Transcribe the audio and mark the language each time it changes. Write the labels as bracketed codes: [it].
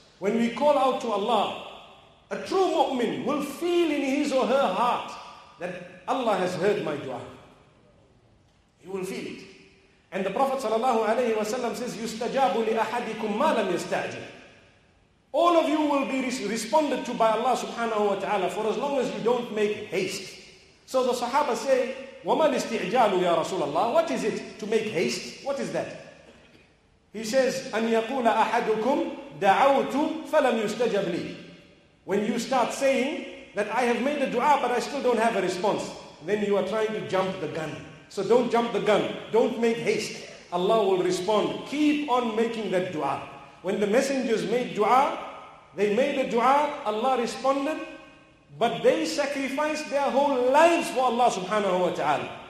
[en] When we call out to Allah, a true mu'min will feel in his or her heart that Allah has heard my dua. He will feel it. And the Prophet sallallahu alaihi wasallam says, [ar] "Yustajabu li ahadikum ma lam yastajib." [en] All of you will be responded to by Allah subhanahu wa ta'ala for as long as you don't make haste. So the Sahaba say, [ar] وَمَا الْإِسْتِعْجَالُ يَا رَسُولَ اللَّهِ. [en] What is it to make haste? What is that? He says, [ar] أَنْ يَقُولَ أَحَدُكُمْ دَعَوْتُ فَلَمْ يُسْتَجَبْ لِي. [en] When you start saying that I have made a dua but I still don't have a response, then you are trying to jump the gun. So don't jump the gun. Don't make haste. Allah will respond. Keep on making that dua. When the messengers made dua, they made a dua, Allah responded, but they sacrificed their whole lives for Allah subhanahu wa ta'ala.